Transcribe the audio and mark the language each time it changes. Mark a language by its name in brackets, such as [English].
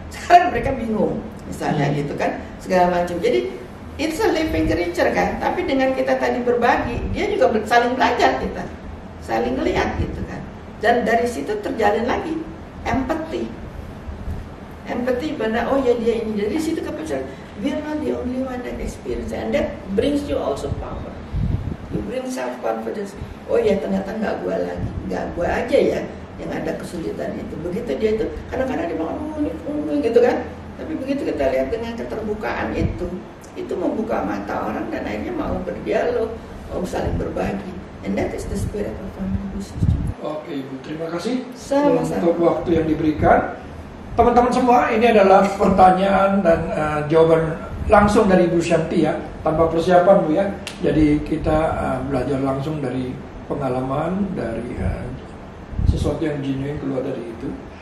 [Indonesian] Sekarang mereka bingung, misalnya gitu kan, segala macam. Jadi [English] it's a living creature [Indonesian] kan, tapi dengan kita tadi berbagi, dia juga saling belajar kita, saling lihat gitu kan. Dan dari situ terjalin lagi empathy. Empathy benar, oh ya dia ini. Jadi situ kepercayaan, [English] we're not the only one that experience and that brings you also power. You bring self confidence. [Indonesian] Oh ya ternyata enggak gua lagi, enggak gua aja ya yang ada kesulitan itu. Begitu dia itu, kadang-kadang dia bilang, gitu kan. Tapi begitu kita lihat dengan keterbukaan itu membuka mata orang dan akhirnya mau berdialog, mau saling berbagi. [English] And that is the spirit of family business. [Indonesian] Oke, Ibu, terima kasih untuk waktu yang diberikan. Teman-teman semua, ini adalah pertanyaan dan jawaban langsung dari Ibu Shanti ya, tanpa persiapan Bu ya. Jadi kita belajar langsung dari pengalaman, dari sesuatu yang genuine keluar dari itu.